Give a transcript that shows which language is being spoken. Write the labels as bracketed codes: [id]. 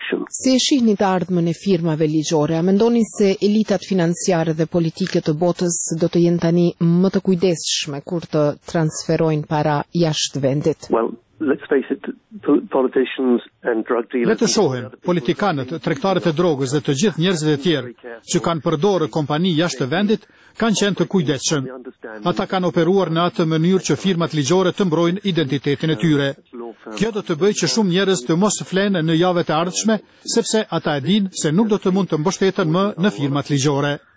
[sq] Si e shihni të ardhmën e firmave ligjore, a mendoni se elitat financiare dhe politike të botës do të jenë tani më të kujdesshme kur të transferojnë para jashtë vendit? [en] Well, let's face it, politicians and drug dealers. [sq] Letë shohim, politikanët, tregtarët e drogës dhe të gjithë njerëzit e tjerë që kanë përdorë kompani jashtë vendit, kanë qenë të kujdesshëm. Ata kanë operuar në atë mënyrë që firmat ligjore të mbrojnë identitetin e tyre. Kjo do të bëjë që shumë njerëz të mos flenë në javët e ardhshme, sepse ata e dinë se nuk do të mund të mbështeten më në firmat ligjore.